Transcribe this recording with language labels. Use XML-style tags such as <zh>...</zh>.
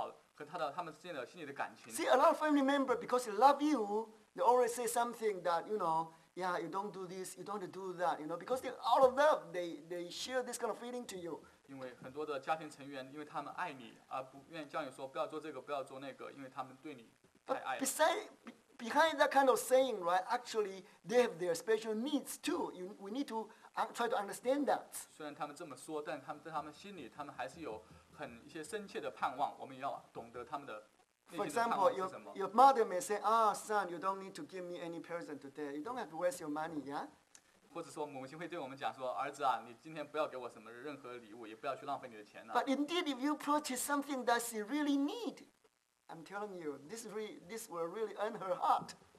<zh>这告诉我们，我们不光是要听取我们父母的话，而是要能够去用心去体会我们父母心中思考和他们之间的心理的感情。</zh> <en>See, a lot of family members, because they love you, they always say something that, you know, yeah, you don't do this, you don't do that, you know, because they're out of love, they share this kind of feeling to you.</en> <zh>因为很多的家庭成员，因为他们爱你，而不愿意教你说不要做这个，不要做那个，因为他们对你。</zh> <en>Behind that kind of saying, right, actually, they have their special needs too. We need to try to understand that.</en> <zh>虽然他们这么说，但他们在他们心里，他们还是有很一些深切的盼望。我们要懂得他们的内心的盼望是什么。</zh> <en>For example, your mother may say, "Ah, son, you don't need to give me any present today. You don't have to waste your money, yeah."</en> <zh>或者说，母亲会对我们讲说，儿子啊，你今天不要给我什么任何礼物，也不要去浪费你的钱了。</zh> <en>But indeed, if you purchase something that she really needs, I'm telling you, this will really earn her heart.</en>